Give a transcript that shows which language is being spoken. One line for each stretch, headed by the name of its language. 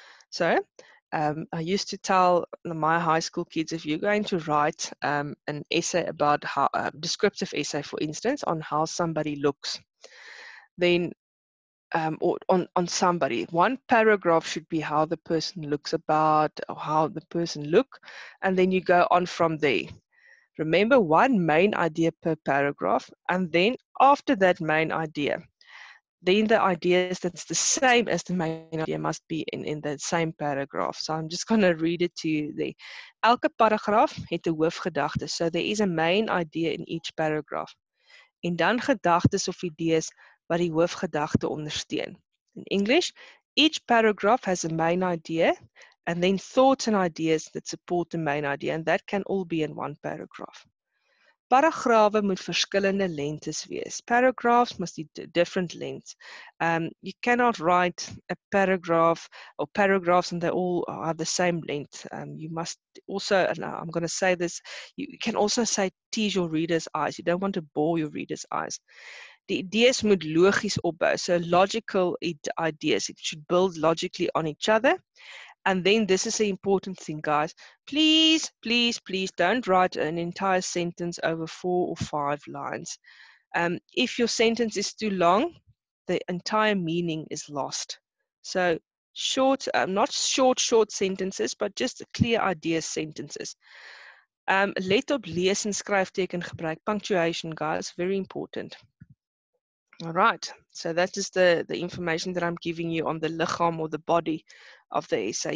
English: So I used to tell my high school kids, if you're going to write an essay about how, a descriptive essay, for instance, on how somebody looks, then or on somebody, one paragraph should be how the person looks about or how the person look, and then you go on from there. Remember, one main idea per paragraph, and then after that main idea, then the ideas that's the same as the main idea must be in the same paragraph. So I'm just going to read it to you there.
Afrikaans: Elke paragraaf het 'n hoofgedagte.
English: So there is a main idea in each paragraph.
Afrikaans: En dan gedagtes of ideas wat die hoofgedagte ondersteun.
English: In English, each paragraph has a main idea and then thoughts and ideas that support the main idea, and that can all be in one paragraph.
Afrikaans: Paragrawe moet verskillende lengtes wees.
English: Paragraphs must be different lengths. You cannot write a paragraph or paragraphs and they all are the same length. You must also, and I'm going to say this, you can also say tease your reader's eyes. You don't want to bore your reader's eyes.
Afrikaans: Die idees moet logies opbou.
English: So logical ideas. It should build logically on each other. And then this is an important thing, guys. Please, please, please don't write an entire sentence over 4 or 5 lines. If your sentence is too long, the entire meaning is lost. So short, not short, short sentences, but just clear idea sentences.
Afrikaans: Let op lees en skryfteken gebruik.
English: Punctuation, guys, very important. All right, so that is the information that I'm giving you on the lichaam or the body of the essay.